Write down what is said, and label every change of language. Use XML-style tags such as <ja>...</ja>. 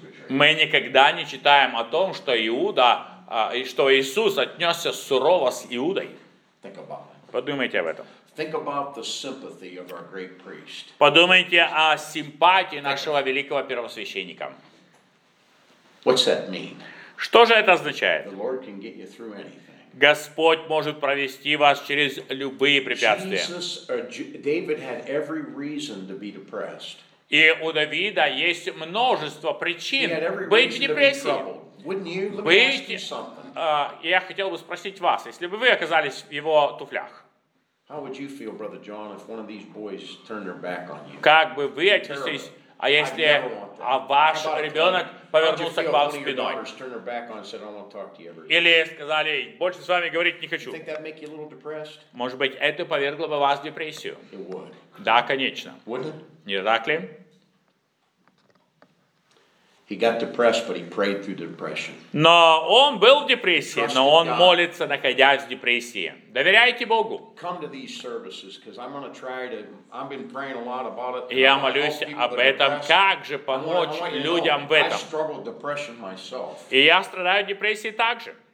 <ru>Мы никогда не читаем о том, что Иуда, и что Иисус отнесся сурово с Иудой. Подумайте об этом.</ru> <en>Think about the sympathy of our great priest.</en> <ru>Подумайте о симпатии нашего великого первосвященника.</ru> <en>What's that mean?</en> <ru>Что же это означает?</ru> <en>The Lord can get you through anything.</en> <ru>Господь может провести вас через любые препятствия.</ru> <en>David had every reason to be depressed.</en> <ru>И у Давида есть множество причин быть в депрессии.</ru> <en>Wouldn't you? Let me ask you something.</en> <ru>Я хотел бы спросить вас, если бы вы оказались в его туфлях,</ru> <en>feel, John,</en> <ru>как бы вы отнеслись, а если ваш ребенок повернулся к вам спиной?</ru> <en>Said,</en> <ru>или сказали, больше с вами говорить не хочу? Может быть, это повергло бы вас в депрессию? Да, конечно. Не так ли?</ru> <en>He got depressed, but he prayed through the depression.</en> <ru>Но он был в депрессии, но он молится, находясь в депрессии. Доверяйте Богу.</ru> <en>Come to these services, because I'm going to try to. I've been praying a lot about it.</en> <ru>Я молюсь об этом. Как же помочь людям в этом?</ru> <en>I struggle with depression myself.</en> <ru>И я страдаю депрессией также.</ru>